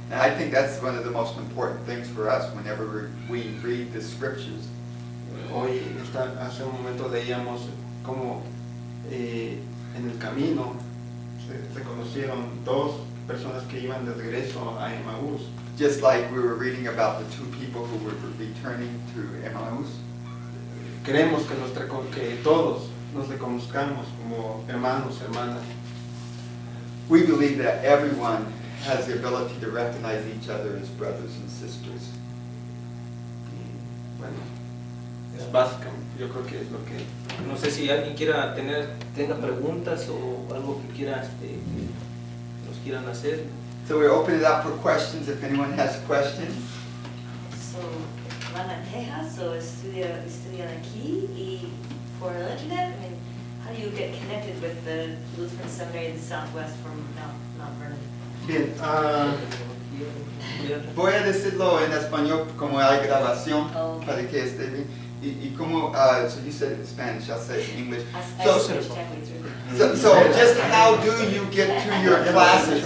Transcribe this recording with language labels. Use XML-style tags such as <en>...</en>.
<en>And I think that's one of the most important things for us whenever we read the scriptures.</en> <es>Hoy, hace un momento leíamos cómo en el camino se reconocieron dos personas que iban de regreso a Emmaús.</es> <en>Just like we were reading about the two people who were returning to Emmaús.</en> <es>Queremos que todos nos reconozcamos como hermanos, hermanas.</es> <en>We believe that everyone has the ability to recognize each other as brothers and sisters.</en> <es>Bueno. Es básico, yo creo que es lo que... No sé si alguien tenga preguntas o algo que nos quieran hacer.</es> <en>So we open it up for questions, if anyone has questions.</en> <es>So, van a Texas o estudian aquí, y</es> <en>for Elizabeth, How do you get connected with the Lutheran Seminary in the Southwest from Mount Vernon?</en> <es>Bien, voy a decirlo en español como hay grabación para que esté bien. Y como,</es> <en>so you said Spanish, I'll say English. So just how do you get to your classes?</en>